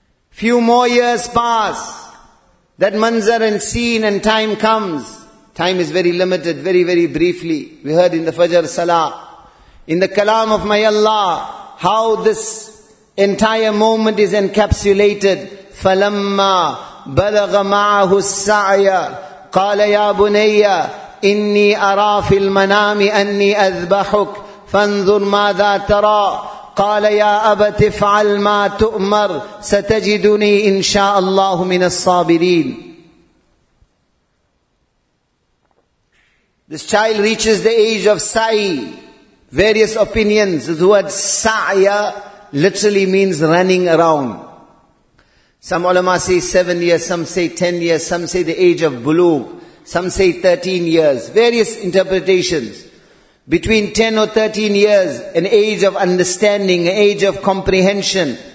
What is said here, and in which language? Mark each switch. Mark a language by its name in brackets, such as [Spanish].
[English] Few more years pass. That manzar and scene and time comes. Time is very limited, very, very briefly. We heard in the Fajr Salah, in the Kalam of my Allah, how this entire moment is encapsulated. [Arabic] فَلَمَّا بَلَغَ مَعَهُ السَّعْيَ قَالَ يَا بُنَيَّ إِنِّي أَرَى فِي الْمَنَامِ أَنِّي أَذْبَحُكَ فَانْظُرْ مَاذَا تَرَى قَالَ يَا أَبَتِ افْعَلْ مَا تُؤْمَرْ سَتَجِدُنِي إِنْ شَاءَ اللَّهُ مِنَ الصَّابِرِينَ [English] This child reaches the age of Sa'i. Various opinions. The word Sa'ya literally means running around. Some ulama say 7 years, some say 10 years, some say the age of Bulugh. Some say 13 years, various interpretations. Between 10 or 13 years, an age of understanding, an age of comprehension.